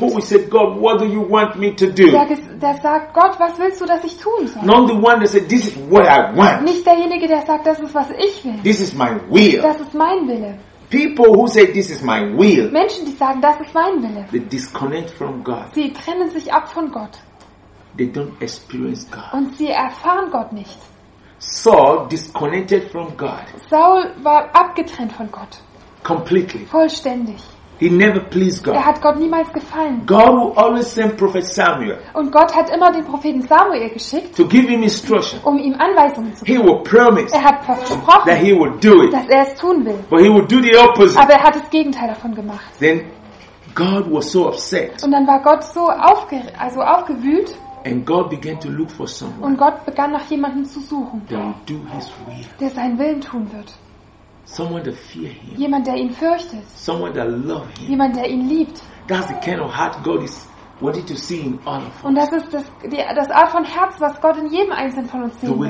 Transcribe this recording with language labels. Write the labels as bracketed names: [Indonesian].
[English] Who would say, God, what do you want me to do? [German] Der sagt, Gott, was willst du, dass ich tun soll? [English] Not the one that said, this is what I want. [German] Nicht derjenige, der sagt, das ist, was ich will. [English] This is my will. [German] Das ist mein Wille. [English] People who say, this is my will. [German] Menschen, die sagen, das ist mein Wille. [English] They disconnect from God. [German] Sie trennen sich ab von Gott. [English] They don't experience God. [German] Und sie erfahren Gott nicht. [English] Saul disconnected from God. [German] Saul war abgetrennt von Gott. [English] Completely. [German] Vollständig. [English] He never pleased God. [German] Er hat Gott niemals gefallen. [English] God will always send Prophet Samuel. [German] Und Gott hat immer den Propheten Samuel geschickt. [English] To give him instruction. [German] Um ihm Anweisungen zu geben. [English] He will promise. [German] Er hat versprochen. [English] That he will do it. [German] Dass er es tun will. [English] But he will do the opposite. [German] Aber er hat das Gegenteil davon gemacht. [English] Then God was so upset. [German] Und dann war Gott so aufgewühlt. [English] And God began to look for someone. [German] Und Gott begann nach jemandem zu suchen. [English] That will do his will. [German] Der seinen Willen tun wird. [English] Someone that fear him. [German] Jemand, der ihn fürchtet. [English] Someone that love him. [German] Jemand, der ihn liebt. [English] That's the kind of heart God is wanting to see in all of us. [German] Und das ist das Art von Herz, was Gott in jedem einzelnen von uns sehen will.